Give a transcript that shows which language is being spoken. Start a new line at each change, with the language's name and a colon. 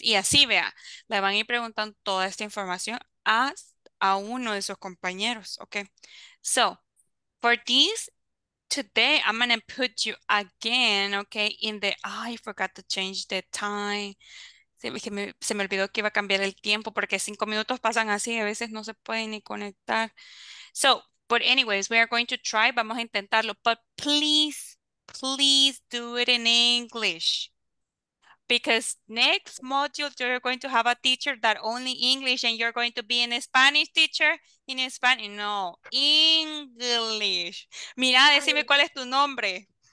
Spanish: Y así, vea, le van a ir preguntando toda esta información a uno de sus compañeros, ok.
English: So, for this, today I'm going to put you again, ok, in the, I forgot to change the time.
Spanish: Se me olvidó que iba a cambiar el tiempo porque 5 minutos pasan así, a veces no se puede ni conectar.
English: So, but anyways, we are going to try,
Spanish: vamos a intentarlo,
English: but please, please do it in English. Because next module, you're going to have a teacher that only English, and you're going to be in Spanish teacher in Spanish. No, English.
Spanish: Mira, decime cuál es tu nombre.